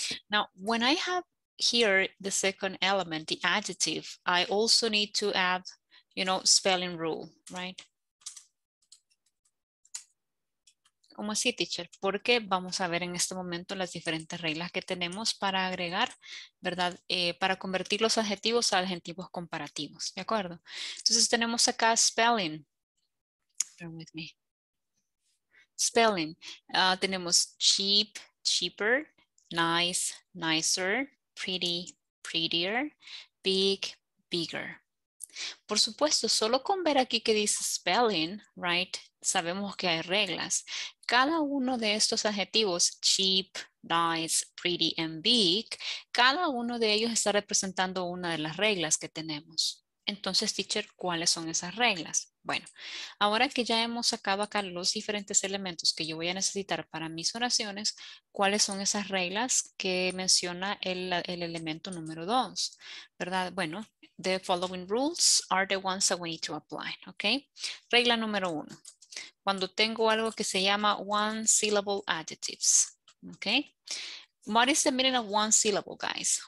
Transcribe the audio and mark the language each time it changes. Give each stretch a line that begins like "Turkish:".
English: Now, when I have here the second element, the adjective, I also need to add, you know, spelling rule, right?
Spanish: ¿Cómo así, teacher? Porque vamos a ver en este momento las diferentes reglas que tenemos para agregar, ¿verdad? Para convertir los adjetivos a adjetivos comparativos, ¿de acuerdo? Entonces tenemos acá
English: spelling. With me. Spelling.
Spanish: Tenemos cheap, cheaper, nice, nicer, pretty, prettier, big, bigger. Por supuesto, solo con ver aquí que dice spelling,
English: right,
Spanish: sabemos que hay reglas. Cada uno de estos adjetivos, cheap, nice, pretty, and big, cada uno de ellos está representando una de las reglas que tenemos. Entonces, teacher, ¿cuáles son esas reglas? Bueno, ahora que ya hemos sacado acá los diferentes elementos que yo voy a necesitar para mis oraciones, ¿cuáles son esas reglas que menciona el elemento número 2? ¿Verdad?
English: Bueno, the following rules are the ones that we need to apply, ¿ok?
Spanish: Regla número 1. Cuando tengo algo que se llama
English: one syllable adjectives,
Spanish: ¿ok?
English: What is the meaning of one syllable, guys?